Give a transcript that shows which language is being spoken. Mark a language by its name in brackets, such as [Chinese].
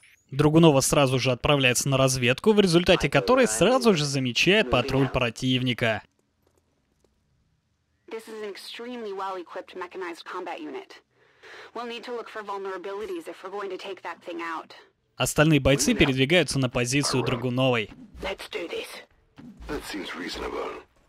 [Russian] Драгунова сразу же отправляется на разведку, в результате которой сразу же замечает патруль противника. [English] This is an extremely well-equipped mechanized combat unit. We'll need to look for vulnerabilities if we're going to take that thing out. [Russian] Остальные бойцы передвигаются на позицию Драгуновой. [English] Let's do this. That seems reasonable.